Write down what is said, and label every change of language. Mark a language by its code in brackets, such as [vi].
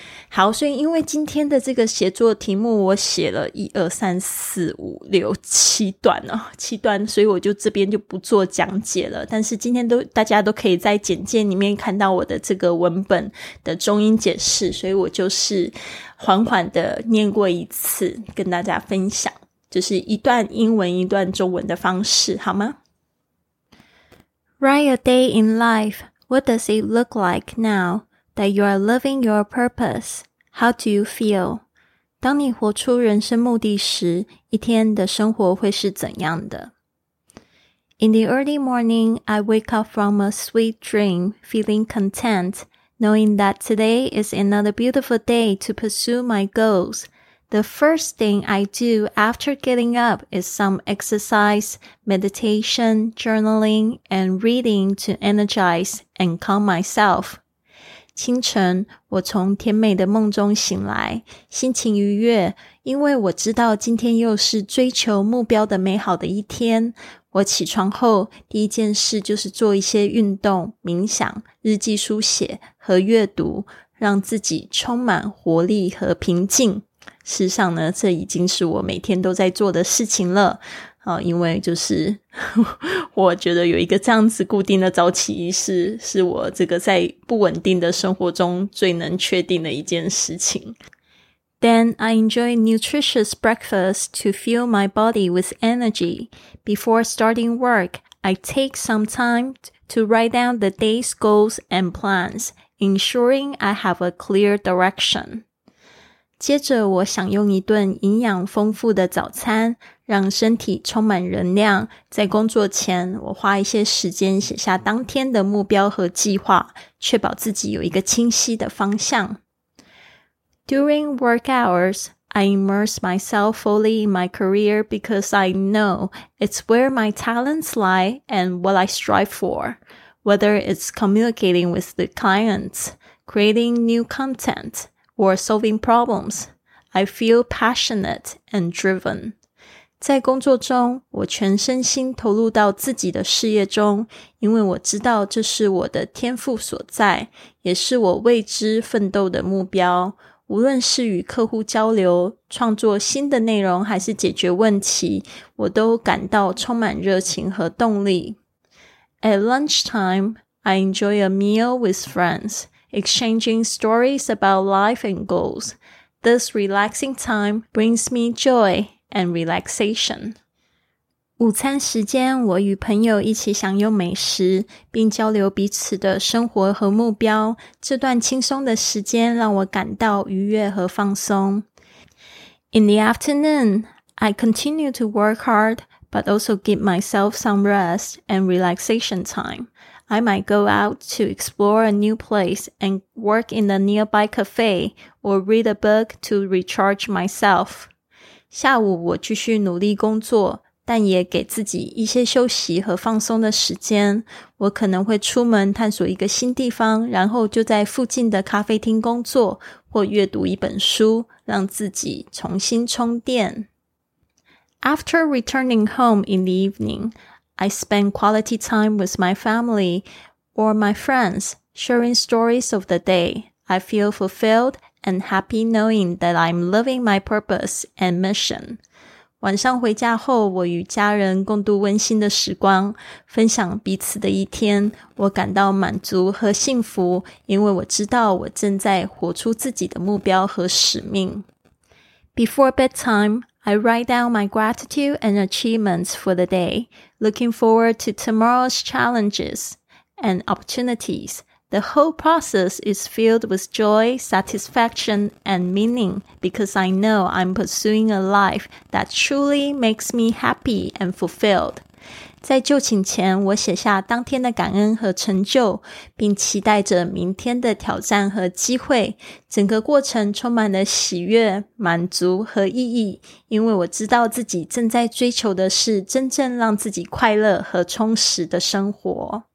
[zh] 好，所以因为今天的这个写作题目我写了1、2、3、4、5、6、7段哦，7段，所以我就这边就不做讲解了，但是今天都大家都可以在简介里面看到我的这个文本的中英解释，所以我就是缓缓的念过一次跟大家分享，就是一段英文一段中文的方式好吗？ [en] Write a day in life. What does it look like now? That you are living your purpose. How do you feel? [zh] 当你活出人生目的时，一天的生活会是怎样的？ [en] In the early morning, I wake up from a sweet dream, feeling content, knowing that today is another beautiful day to pursue my goals. The first thing I do after getting up is some exercise, meditation, journaling, and reading to energize and calm myself. [zh] 清晨，我从甜美的梦中醒来，心情愉悦，因为我知道今天又是追求目标的美好的一天。我起床后，第一件事就是做一些运动、冥想、日记书写和阅读，让自己充满活力和平静。事实上呢，这已经是我每天都在做的事情了。因为就是我觉得有一个这样子固定的早起仪式是我这个在不稳定的生活中最能确定的一件事情。 [en] Then I enjoy nutritious breakfast to fill my body with energy. Before starting work, I take some time to write down the day's goals and plans, ensuring I have a clear direction. [zh] 接着我享用一顿营养丰富的早餐，让身体充满能量。在工作前，我花一些时间写下当天的目标和计划，确保自己有一个清晰的方向。 [en] During work hours, I immerse myself fully in my career because I know it's where my talents lie and what I strive for. Whether it's communicating with the clients, creating new content, or solving problems, I feel passionate and driven. [zh] 在工作中，我全身心投入到自己的事业中，因为我知道这是我的天赋所在，也是我为之奋斗的目标。无论是与客户交流、创作新的内容，还是解决问题，我都感到充满热情和动力。 [en] At lunchtime, I enjoy a meal with friends, exchanging stories about life and goals. This relaxing time brings me joy. And relaxation. [zh] 午餐时间，我与朋友一起享用美食，并交流彼此的生活和目标。这段轻松的时间让我感到愉悦和放松。 [en] In the afternoon, I continue to work hard, but also give myself some rest and relaxation time. I might go out to explore a new place and work in a nearby cafe or read a book to recharge myself. [zh] 下午我继续努力工作，但也给自己一些休息和放松的时间。我可能会出门探索一个新地方，然后就在附近的咖啡厅工作，或阅读一本书，让自己重新充电。 [en] After returning home in the evening, I spend quality time with my family or my friends, sharing stories of the day. I feel fulfilled and happy knowing that I'm living my purpose and mission. [zh] 晚上回家后，我与家人共度温馨的时光，分享彼此的一天，我感到满足和幸福，因为我知道我正在活出自己的目标和使命。 [en] Before bedtime, I write down my gratitude and achievements for the day, looking forward to tomorrow's challenges and opportunities. The whole process is filled with joy, satisfaction, and meaning because I know I'm pursuing a life that truly makes me happy and fulfilled. [zh] 在就寝前，我写下当天的感恩和成就，并期待着明天的挑战和机会。整个过程充满了喜悦、满足和意义，因为我知道自己正在追求的是真正让自己快乐和充实的生活。